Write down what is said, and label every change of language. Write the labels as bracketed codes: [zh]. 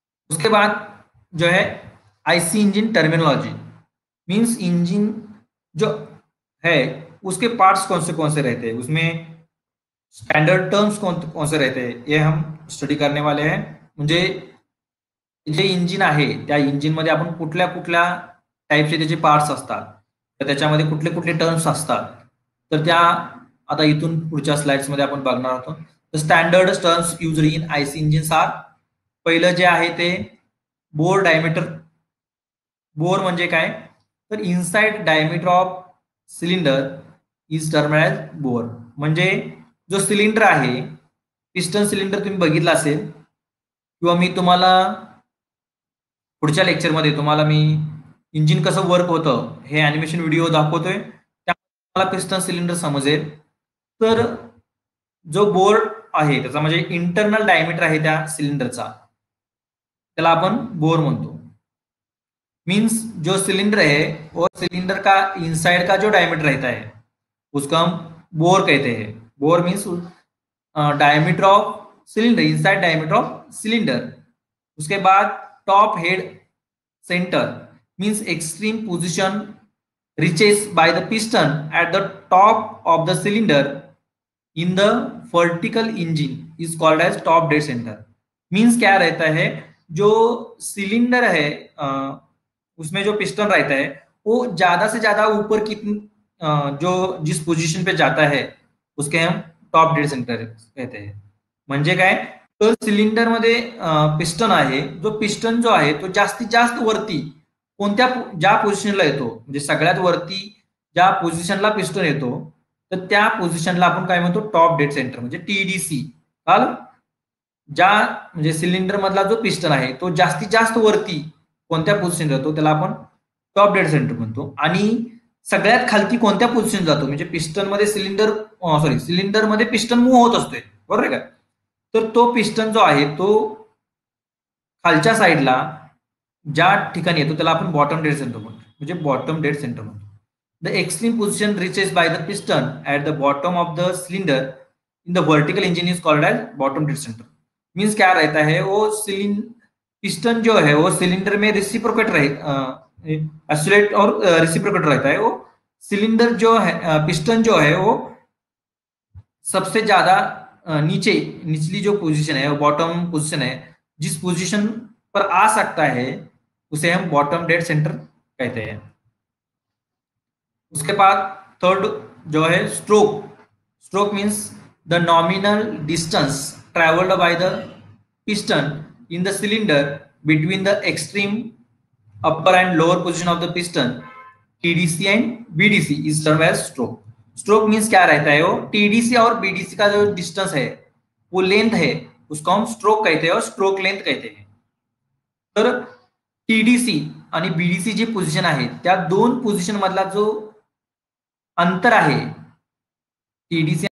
[hi] उसके बाद जो है IC engine terminology, means engine जो है उसके पार्ट्स कौन से रहते हैं, उसमें स्टैंडर्ड टर्म्स कौन से रहते हैं, ये हम स्टडी करने वाले हैं। [mr] म्हणजे जे इंजिन आहे त्या इंजिन मध्ये आपण कुठल्या कुठल्या टाइपचे त्याचे पार्ट्स असतात, तर त्याच्यामध्ये कुठले कुठले टर्म्स असतात, तर त्या आता इथून पुढच्या स्लाइड्स मध्ये आपण बघणार आहोत। तर [en] standard terms use in IC engine are, [mr] पहिलं जे आहे ते बोर डायमीटर। बोर म्हणजे काय, तर [en] inside diameter of cylinder is termed as bore, [mr] म्हणजे जो सिलिंडर आहे, पिस्टन सिलिंडर तुम्ही बघितला असेल किंवा मी तुम्हाला पुढच्या लेक्चरमध्ये तुम्हाला मी इंजिन कसं वर्क होतं हे ॲनिमेशन व्हिडिओ दाखवतोय, त्याला पिस्टन सिलिंडर समजेल। तर जो बोर आहे त्याचा म्हणजे इंटरनल डायमीटर आहे त्या सिलिंडरचा, त्याला आपण बोर म्हणतो। [hi] मीन्स जो सिलिंडर आहे वो सिलिंडर का इनसाइड का जो डायमीटर रहता है उसका हम बोर कहते हैं। [en] Bore means diameter of cylinder, inside diameter of cylinder. [hi] उसके बाद [en] Top head centre means extreme position reaches by the piston at the top of the cylinder in the vertical engine is called as top dead centre. [hi] Means क्या रहता है, जो cylinder है उसमें जो piston रहता है वो ज्यादा से ज्यादा ऊपर कितनी जो जिस पोजिशन पे जाता है उसके हम टॉप डेड सेंटर कहते हैं। [mr] म्हणजे काय, तर सिलिंडर मध्ये पिस्टन आहे, जो पिस्टन जो आहे तो जास्तीत जास्त वरती कोणत्या ज्या पोझिशनला येतो, म्हणजे सगळ्यात वरती ज्या पोझिशनला पिस्टन येतो तर त्या पोझिशनला आपण काय म्हणतो, टॉप डेड सेंटर म्हणजे TDC। काल ज्या म्हणजे सिलिंडर मधला जो पिस्टन आहे तो जास्तीत जास्त वरती कोणत्या पोझिशन जातो त्याला आपण टॉप डेड सेंटर म्हणतो। आणि सगळ्यात खालती कोणत्या पोझिशन जातो, म्हणजे पिस्टन मध्ये सिलिंडर सॉरी सिलिंडर मध्ये पिस्टन मूव्ह होत असतोय, बरोबर आहे का, तर तो पिस्टन जो आहे तो खालच्या साईडला ज्या ठिकाणी येतो त्याला आपण बॉटम डेड सेंटर म्हणतो, म्हणजे बॉटम डेड सेंटर म्हणतो। [en] The extreme position reaches by the piston at the bottom of the cylinder in the vertical engine is called as bottom dead centre. [hi] Means काय रहता है, वो पिस्टन जो है वो सिलिंडर में रिसिप्रोकेट ऑसिलेट और रिसिप्रोकेट रहता है, वो सिलिंडर जो है पिस्टन जो है वो सबसे ज्यादा नीचे निचली जो पोजीशन है वो बॉटम पोजीशन है, जिस पोजीशन पर आ सकता है उसे हम बॉटम डेड सेंटर कहते हैं। उसके बाद थर्ड जो है [en] Stroke, stroke means the nominal distance travelled by the piston in the cylinder between the extreme upper and lower position of the piston TDC and BDC is term as stroke. [hi] Stroke means क्या रहता है, वो TDC और BDC का जो distance है वो length है, उसको हम स्ट्रोक कहते हैं और स्ट्रोक लेंथ कहते हैं। [mr] तर टीडीसी आणि बीडीसी जी पोजिशन आहे त्या दोन पोजिशन मधला जो अंतर आहे टीडीसी